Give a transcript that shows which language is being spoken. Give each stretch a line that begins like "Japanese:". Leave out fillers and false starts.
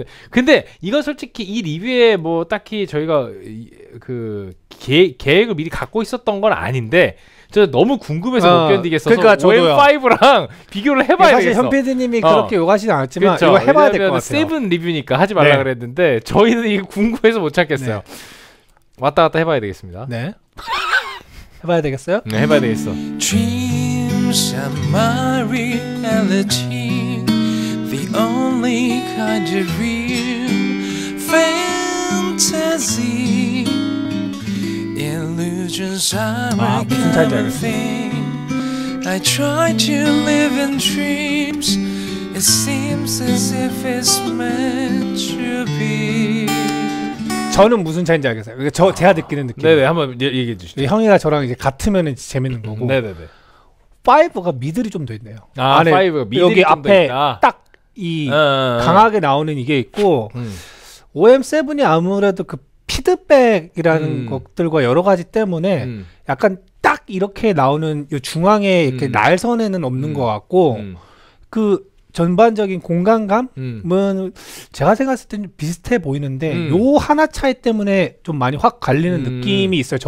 Korean: 근데 이거 솔직히 이 리뷰에 뭐 딱히 저희가 그 계획을 미리 갖고 있었던 건 아닌데 저 너무 궁금해서 못 견디겠어서 그러니까 OM5랑 비교를 해봐야겠어. 사실 현PD님이 그렇게 욕하시진 않았지만 그쵸? 이거 해봐야 될 것 같아요. 7 리뷰니까 하지 말라 네. 그랬는데 저희는 이거 궁금해서 못 찾겠어요. 네. 왔다 갔다 해봐야 되겠습니다. 네. 해봐야 되겠어요? 네, 해봐야 되겠어.
English: Dreams are my reality, the the only kind of real fantasy. Illusions are a kind of thing. I try to live in dreams. It seems as if it's meant to be.
Korean: 저는 무슨 차이인지 알겠어요. 그러니까 저 제가 느끼는 느낌. 네네, 한번 얘기해 주시죠. 형이랑 저랑 이제 같으면 이제 재밌는 거고. 네네네. 5가 미들이 좀 더 있네요. 아, 5가 미들이 좀 더 있다. 여기 앞에 딱 이 강하게 나오는 이게 있고, OM7이 아무래도 그 피드백이라는 것들과 여러 가지 때문에 약간 딱 이렇게 나오는 이 중앙에 이렇게 날선에는 없는 것 같고, 그 전반적인 공간감은 제가 생각했을 때는 비슷해 보이는데 요 하나 차이 때문에 좀 많이 확 갈리는 느낌이 있어요.